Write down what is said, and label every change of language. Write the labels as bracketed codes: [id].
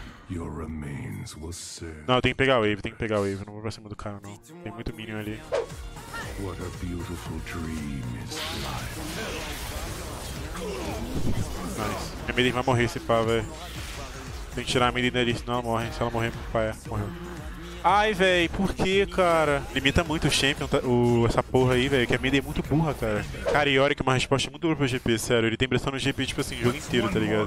[en] Your remains will serve. [pt] Não, tem que pegar a wave, tem que pegar a wave. Não vou pra cima do cara, não. Tem muito minion ali. [en] What a beautiful dream is life. [pt] Nice. A vai morrer esse pá, velho. Tem que tirar a Midian ali, senão ela morre. Se ela morrer, pai, morreu. Ai, véi, por que, cara? Limita muito o champion, essa porra aí, velho. Que a Midian é muito burra, cara. Cara, e olha que uma resposta muito dura pro GP, sério. Ele tem pressão no GP, tipo assim, o jogo inteiro, tá ligado?